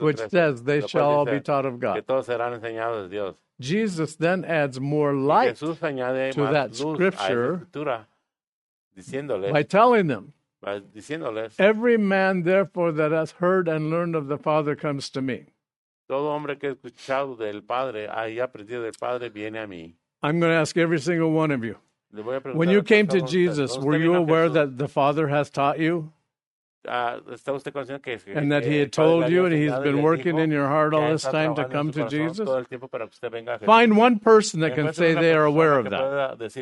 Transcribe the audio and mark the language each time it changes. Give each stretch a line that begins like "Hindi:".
English: Which says, they shall all be taught of God.
Spanish: Que todos serán enseñados de Dios.
English: Jesus then adds more light to that scripture
Spanish: diciéndoles,
English: by telling them,
Spanish: diciéndoles,
English: every man therefore that has heard and learned of the Father comes to me.
Spanish: Todo hombre que ha escuchado del Padre, haya aprendido del Padre, viene a mí.
English: I'm going to ask every single one of you.
Spanish: Le voy a preguntar
English: when you came to Jesus, were you aware Jesús? That the Father has taught you? And that he had told you and he's been working in your heart all this time to come to Jesus? Find one person that can say they are aware of that.